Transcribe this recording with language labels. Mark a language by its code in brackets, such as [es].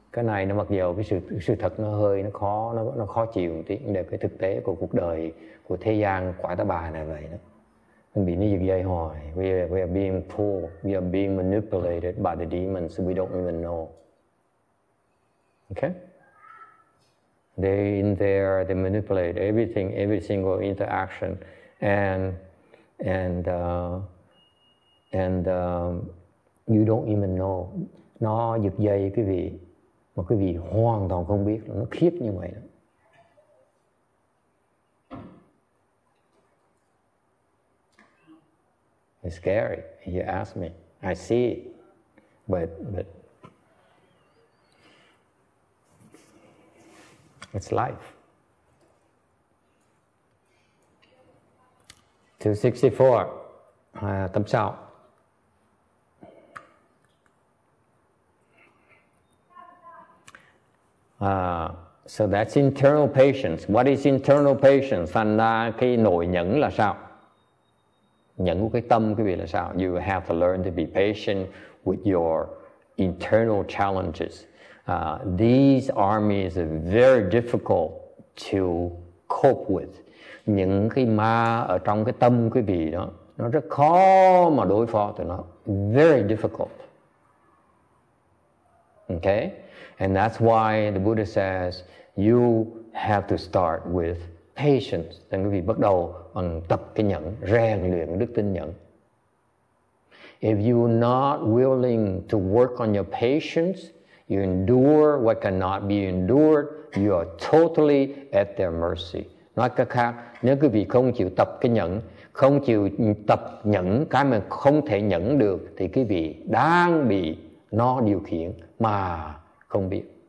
[vi] Cái này nó mặc dù cái sự thật nó hơi nó khó chịu một tí, để cái thực tế của cuộc đời của thế gian quả tá bà này vậy đó. Mình bị nó giật dây hoài. [en] We are being pulled, we are being manipulated by the demons, so we don't even know. Okay? They in there, they manipulate everything, every single interaction, and you don't even know. [vi] Nó giật dây quý vị, mà quý vị hoàn toàn không biết, nó khiếp như vậy đó. [en] It's scary, you ask me. I see it, but it's life. [vi] 264, tâm sao. [en] So that's internal patience. What is internal patience? [vi] Thành ra cái nội nhẫn là sao? Nhẫn của cái tâm quý vị là sao? [en] You have to learn to be patient with your internal challenges. These armies are very difficult to cope with. [vi] Những cái ma ở trong cái tâm quý vị đó, nó rất khó mà đối phó tụi nó. [en] Very difficult. Okay? And that's why the Buddha says, you have to start with patience. [vi] Nên quý vị bắt đầu bằng tập cái nhẫn, rèn luyện đức tin nhẫn. [en] If you are not willing to work on your patience, you endure what cannot be endured, you are totally at their mercy. [vi] Nói cách khác, nếu quý vị không chịu tập cái nhẫn, không chịu tập nhẫn cái mà không thể nhẫn được, thì quý vị đang bị nó điều khiển mà không biết.